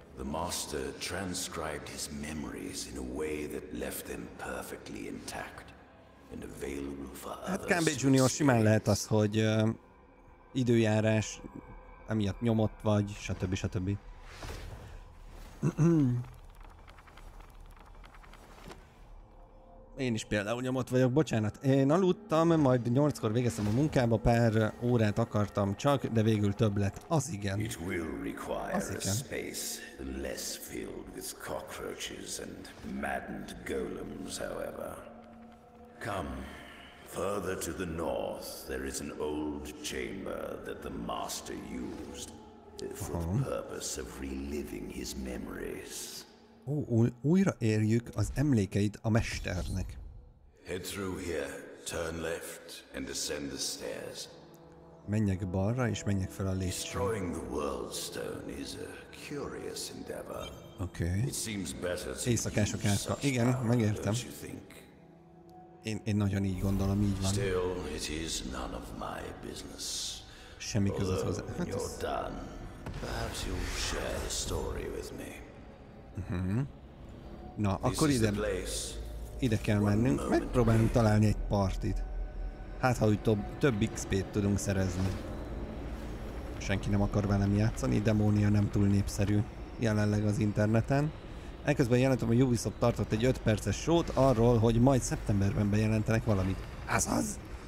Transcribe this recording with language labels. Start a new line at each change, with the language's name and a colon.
English: The master transcribed his memories in a way that left them perfectly intact and available for others.
Hungarian: Hát Cambé Junior, simán lehet az, hogy időjárás, emiatt nyomott vagy, stb. Stb. Én is például nyomott vagyok, bocsánat. Én aludtam, majd 8-kor végeztem a munkába, pár órát akartam csak, de végül több lett. Az igen.
English: It will require az igen. A space less filled with cockroaches and maddened golems, however. Come, further to the north, there is an old chamber that the master used for the purpose of reliving his memories.
Hungarian: Ó, újra érjük az emlékeit a mesternek.
English: Head through here, turn left and ascend the stairs.
Hungarian: Menjek balra és menjek fel a lépcsőn.
English: Destroying the world stone is a curious endeavor. Okay. It seems better to
Hungarian: éjszakások átka. Igen, megértem. Én nagyon így gondolom, így van.
English: Still, it is none of my business.
Hungarian: Semmi között hozzá. Hát ez... You're done.
English: Perhaps you'll share the story with me. Uh-huh.
Hungarian: Na, akkor ide kell mennünk, megpróbálunk találni egy partit. Hát, ha úgy több XP-t tudunk szerezni. Senki nem akar velem játszani, Demónia nem túl népszerű jelenleg az interneten. Elközben jelentem, hogy Ubisoft tartott egy 5 perces showt arról, hogy majd szeptemberben bejelentenek valamit. Azaz!